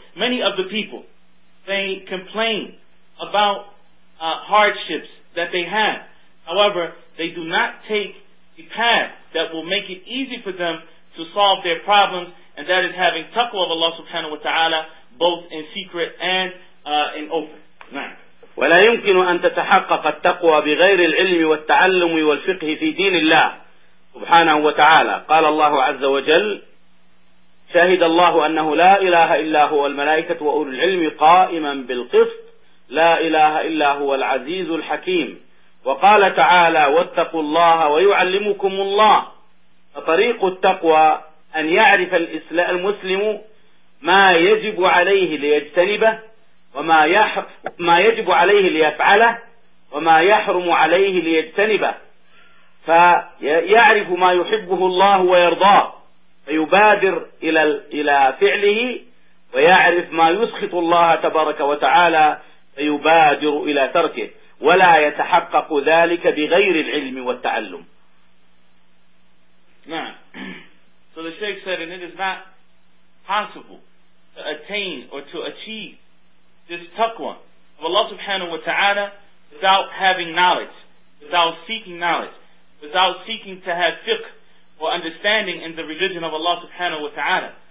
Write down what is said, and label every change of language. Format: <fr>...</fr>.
<en>Many of the people, they complain about hardships that they have. However, they do not take the path that will make it easy for them to solve their problems, and that is having taqwa of Allah subhanahu wa ta'ala, both in secret and in open.</en> <ar>ولا يمكن أن تتحقق التقوى بغير العلم والتعلم والفقه في دين الله سبحانه وتعالى. قال الله عز وجل شهد الله أنه لا إله إلا هو الملائكة وأولو العلم قائما بالقسط لا إله إلا هو العزيز الحكيم. وقال تعالى واتقوا الله ويعلمكم الله. فطريق التقوى أن يعرف المسلم ما يجب عليه ليجتنبه، وما يجب عليه ليفعله، وما يحرم عليه ليجتنبه، فيعرف ما يحبه الله ويرضاه فيبادر إلى فعله، ويعرف ما يسخط الله تبارك وتعالى فيبادر إلى تركه. ولا يتحقق ذلك بغير العلم والتعلم. نعم.</ar> <en>So the Shaykh said, and it is not possible to attain or to achieve this taqwa of Allah subhanahu wa ta'ala without having knowledge, without seeking knowledge, without seeking to have fiqh or understanding in the religion of Allah subhanahu wa ta'ala.</en>